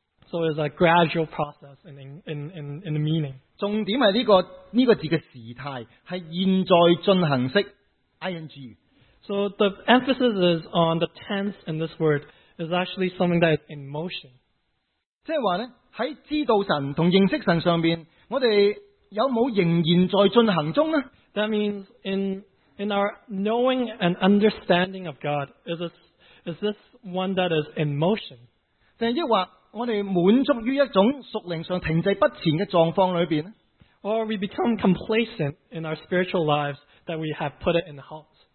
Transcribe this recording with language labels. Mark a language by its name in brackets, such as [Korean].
[English] So it's a gradual process in the meaning. [Cantonese] 重点是这个字的时态, 是现在进行式, ING. [English] So the emphasis is on the tense in this word. Is actually something that is in motion. [Cantonese] 即是说呢, 在知道神和认识神上面, 我们有没有仍然在进行中呢? [English] That means in our knowing and understanding of God, is this one that is in motion? [Cantonese] 还是说, 我们满足于一种属灵上停滞不前的状况里面呢? [English] Or we become complacent in our spiritual lives that we have put it in halt.